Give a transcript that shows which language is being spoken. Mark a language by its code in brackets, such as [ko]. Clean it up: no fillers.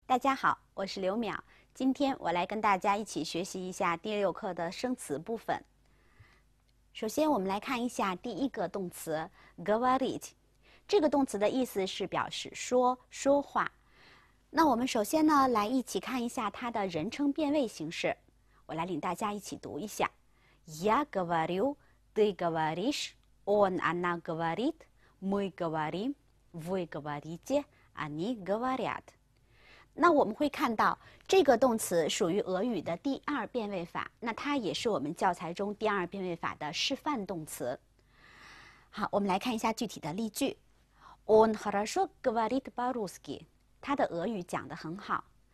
[zh] 大家好，我是刘淼，今天我来跟大家一起学习一下第六课的生词部分。首先，我们来看一下第一个动词 "говорить"，这个动词的意思是表示说话。那我们首先呢，来一起看一下它的人称变位形式。我来领大家一起读一下： [ru] Я говорю, ты говоришь, он она говорит, мы говорим, вы говорите, они говорят。 [zh] 那我们会看到，这个动词属于俄语的第二变位法，那它也是我们教材中第二变位法的示范动词。好，我们来看一下具体的例句。 [ru] Он хорошо говорит по-русски， [zh] 他的俄语讲得很好。